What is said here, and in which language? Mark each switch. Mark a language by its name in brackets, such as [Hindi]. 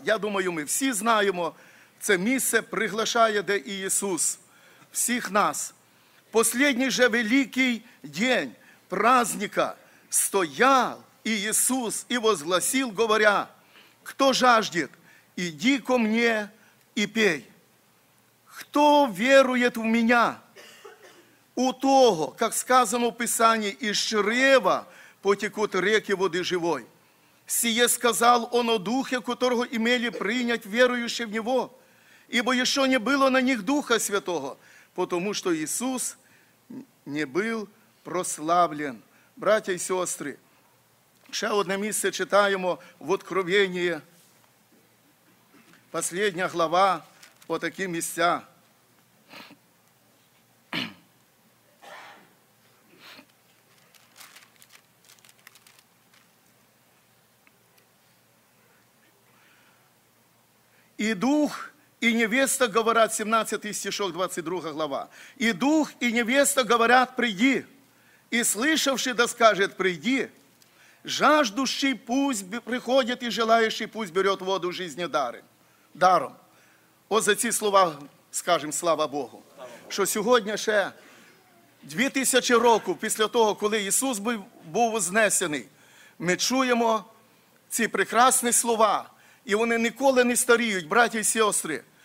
[Ukrainian] Я думаю, ми всі знаємо, це місце приглашає, де і Ісус всіх нас. Послідній же великий день праздника стояв і Ісус і возгласив, говоря: [Russian] «Хто жаждет, іди ко мне і пей. Хто верует в меня, у того, как сказано в Писании, из чрева потекут реки води живой. Сие сказал он о духе, которого имели принять верующие в него, ибо еще не было на них Духа Святого, потому что Иисус не был прославлен». Братья и сестры, еще одно место читаем в Откровении, последняя глава, по таким местам. «И дух, и невеста говорят», 17 стишок, 22 глава, «И дух, и невеста говорят, прийди, и слышавший да скажет, прийди, жаждущий пусть приходит, и желающий пусть берет воду жизни даром». [Ukrainian] Ось за ці слова скажемо слава Богу. Що сьогодні ще 2000 років після того, коли Ісус був вознесений, ми чуємо ці прекрасні слова, і вони ніколи не старіють, браті і сестри.